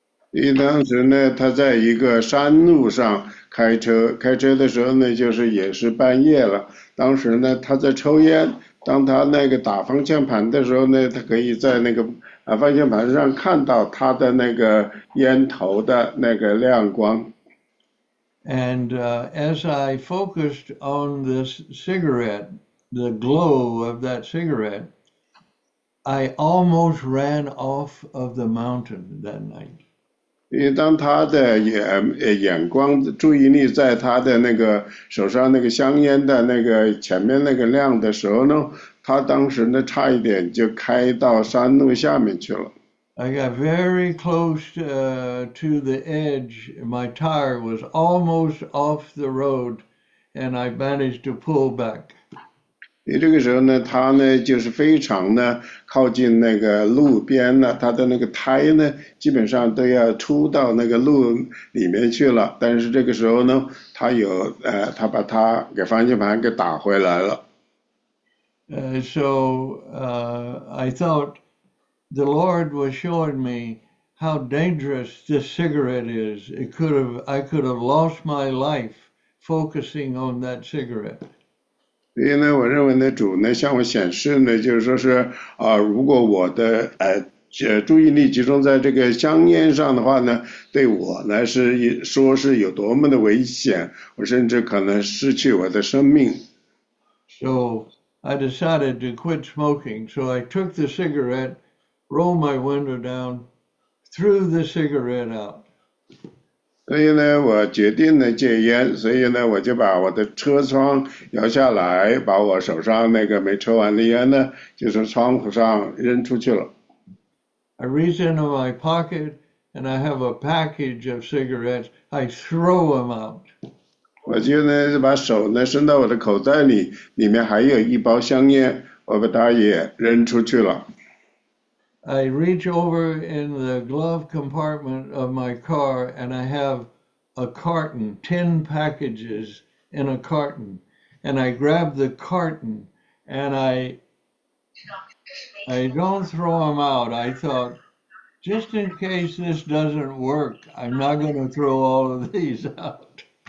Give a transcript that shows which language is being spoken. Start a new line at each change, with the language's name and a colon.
Chinese: 因为当时呢，他在一个山路上开车，开车的时候呢，就是也是半夜了。当时呢，他在抽烟。当他那个打方向盘的时候呢，他可以在那个方向盘上看到他的那个烟头的那个亮光。
English: And as I focused on this cigarette, the glow of that cigarette, I almost ran off of the mountain that night.
Chinese: 因为当他的眼光注意力在他的那个手上那个香烟的那个前面那个亮的时候呢，他当时呢差一点就开到山路下面去了。
English: I got very close to the edge. My tire was almost off the road, and I managed to pull back.
Chinese: 你这个时候呢，他呢就是非常呢靠近那个路边呢，他的那个胎呢基本上都要出到那个路里面去了，但是这个时候呢，他把他给方向盘给打回来了。
English: I thought, the Lord was showing me how dangerous this cigarette is. I could have lost my life focusing on that cigarette.
Chinese: 所以呢，我认为呢，主呢向我显示呢，就是说是如果我的注意力集中在这个香烟上的话呢，对我来说是有多么的危险，我甚至可能失去我的生命。
English: So I decided to quit smoking. So I took the cigarette, roll my window down, threw the cigarette out.
Chinese: 所以呢，我决定呢戒烟，所以呢，我就把我的车窗摇下来，把我手上那个没抽完的烟呢，就从窗户上扔出去了。
English: I reach into my pocket and I have a package of cigarettes. I throw them out.
Chinese: 我就呢就把手呢伸到我的口袋里，里面还有一包香烟，我把它也扔出去了。
English: I reach over in the glove compartment of my car and I have a carton, 10 packages in a carton. And I grab the carton and I I don't throw them out. I thought, just in case this doesn't work, I'm not going to throw all of these out.